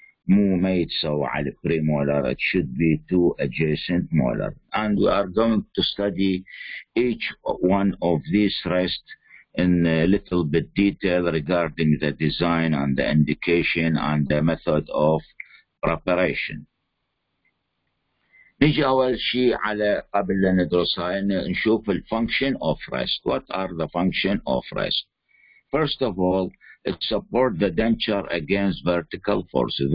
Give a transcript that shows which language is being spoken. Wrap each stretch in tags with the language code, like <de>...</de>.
<ar>مو ما يتسوى على</ar> <en>premolar, it should be two adjacent molar. And we are going to study each one of these rest in a little bit detail regarding the design and the indication and the method of preparation.</en> <ar>نجي أول شيء على قبل ندرسها نشوف</ar> <en>the function of rest. What are the function of rest? First of all, it support the denture against vertical forces.</en>